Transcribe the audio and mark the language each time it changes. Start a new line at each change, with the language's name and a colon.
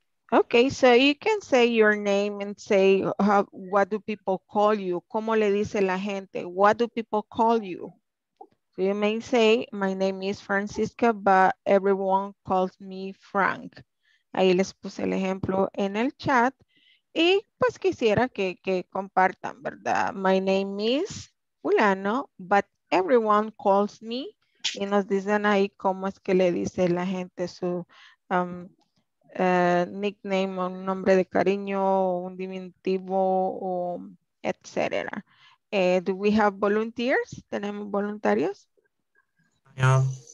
English: Okay, so you can say your name and say, what do people call you?
Spanish: ¿Cómo le dice la gente?
English: What do people call you? So you may say, my name is Francisca, but everyone calls me Frank.
Spanish: Ahí les puse el ejemplo en el chat. Y pues quisiera que compartan, ¿verdad?
English: My name is fulano, but everyone calls me.
Spanish: Y nos dicen ahí cómo es que le dice la gente su... nickname, un nombre de cariño, un diminutivo, etc.
English: Do we have volunteers?
Spanish: ¿Tenemos voluntarios?
English: No.